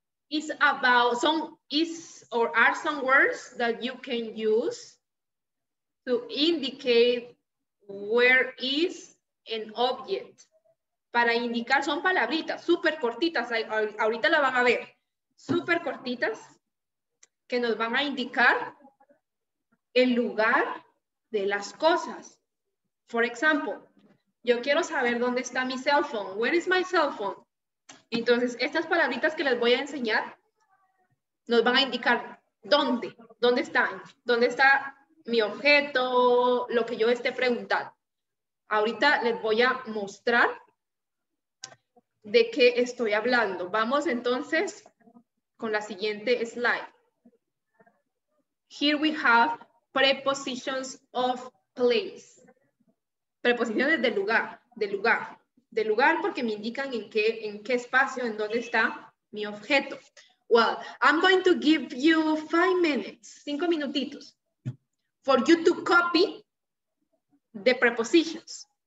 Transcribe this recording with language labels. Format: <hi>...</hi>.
<en>It's about some is or are some words that you can use to indicate where is an object.</en> <es>Para indicar, son palabritas súper cortitas. Ahorita la van a ver. Súper cortitas que nos van a indicar el lugar de las cosas.</es> <en>For example,</en> <es>yo quiero saber dónde está mi</es> <en>cell phone. Where is my cell phone?</en> <es>Entonces, estas palabritas que les voy a enseñar nos van a indicar dónde. ¿Dónde está? ¿Dónde está mi objeto? Lo que yo esté preguntando. Ahorita les voy a mostrar de qué estoy hablando. Vamos entonces con la siguiente slide.</es> <en>Here we have prepositions of place.</en> <es>Preposiciones de lugar, de lugar. De lugar porque me indican en qué espacio, en dónde está mi objeto.</es> <en>Well, I'm going to give you 5 minutes, 5 minutitos, for you to copy the prepositions.</en>